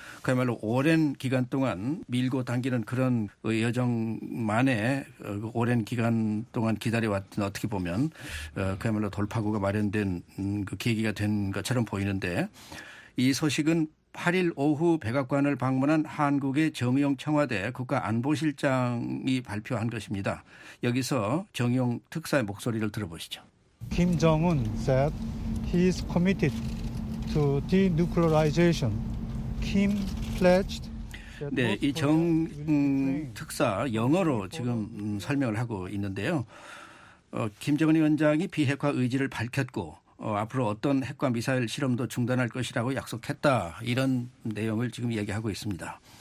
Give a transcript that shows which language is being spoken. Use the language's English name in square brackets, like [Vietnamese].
[Korean] 그야말로 오랜 기간 동안 밀고 당기는 그런 여정만에 오랜 기간 동안 기다려왔던, 어떻게 보면 그야말로 돌파구가 마련된 그 계기가 된 것처럼 보이는데, 이 소식은 8일 오후 백악관을 방문한 한국의 정의용 청와대 국가안보실장이 발표한 것입니다. 여기서 정의용 특사의 목소리를 들어보시죠. [English] 김정은 said he is committed to denuclearization. Kim pledged. [Korean] 네, 이 정 특사 영어로 지금 설명을 하고 있는데요. 김정은 위원장이 비핵화 의지를 밝혔고 앞으로 어떤 핵과 미사일 실험도 중단할 것이라고 약속했다, 이런 내용을 지금 얘기하고 있습니다.